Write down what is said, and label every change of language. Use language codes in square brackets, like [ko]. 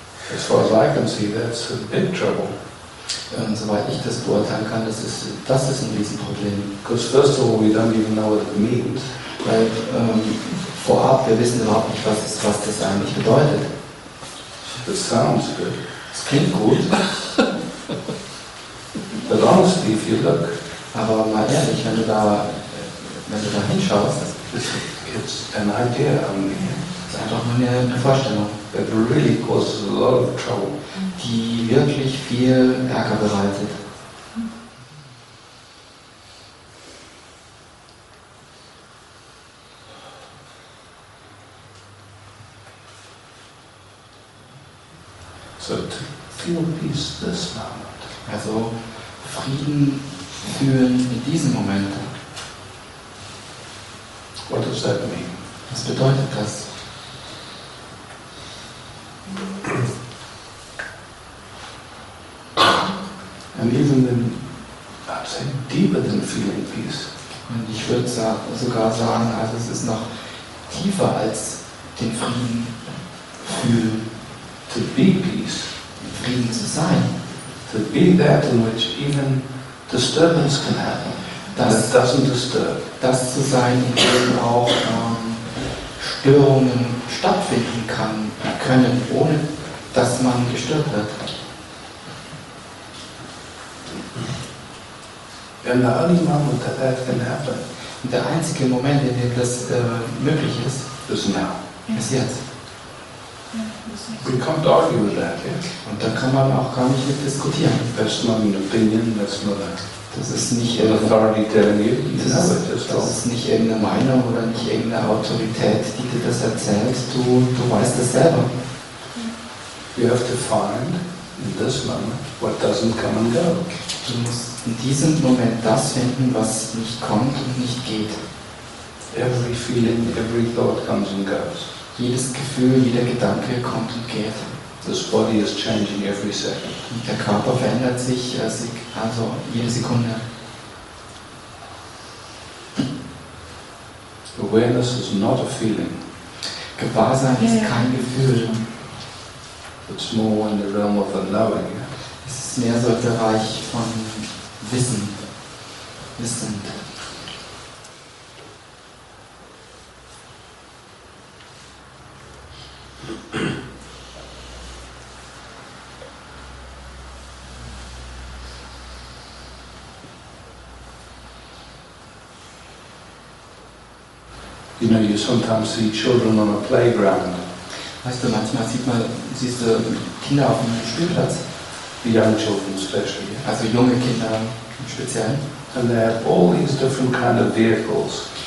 [en] As far as I can see, that's a big trouble. [de] Und soweit ich das beurteilen kann, das ist ein Riesenproblem. [en] Because first of all, we don't even know what it means. [de] Weil vorab, wir wissen überhaupt nicht, was das eigentlich bedeutet. [en] It sounds good. [de] Es klingt gut. [en] But honestly, if you look, [de] aber mal ehrlich, wenn du da hinschaust, [en] it's an idea. [de] Es ist einfach nur eine Vorstellung. [en] That really causes a lot of trouble. [de] Die wirklich viel Ärger bereitet. [en] So to feel peace this moment. [de] Also Frieden fühlen in diesem Moment. [en] What does that mean? [de] Was bedeutet das? [en] And even then, I'd say deeper than feeling peace. [de] Und ich würde sogar sagen, also es ist noch tiefer als den Frieden fühlen. [en] To be peace. [de] Den Frieden zu sein. [en] To be that in which even disturbance can happen, [de] das, [en] that doesn't disturb. [de] Das zu sein, in dem auch Störungen stattfinden können, ohne dass man gestört wird. [en] And the only moment that can happen, [de] und der einzige Moment, in dem das möglich ist, [en] is now. [de] Ist jetzt. [en] We can't argue with that, yeah. [de] Und da kann man auch gar nicht mit diskutieren. [en] That's not an opinion, that's not a, [de] das ist nicht [en] an authority telling you. [de] Das ist nicht irgendeine Meinung oder nicht irgendeine Autorität, die dir das erzählt. Du weißt das selber. [en] You have to find in this moment what doesn't come and go. [de] Du musst in diesem Moment das finden, was nicht kommt und nicht geht. [en] Every feeling, every thought comes and goes. [de] Jedes Gefühl, jeder Gedanke kommt und geht. [en] This body is changing every second. [de] Und der Körper verändert sich also jede Sekunde. [en] Awareness is not a feeling. [de] Gewahrsein ist kein Gefühl. [en] It's more in the realm of the knowing. [de] Es ist mehr so der Bereich von Wissen. [en] You know, you sometimes see children on a playground. [de] Weißt du, manchmal sieht man, siehst du Kinder auf einem Spielplatz. [en] The young children especially. [de] Also junge Kinder im Speziellen. [en] And they have all these different kind of vehicles.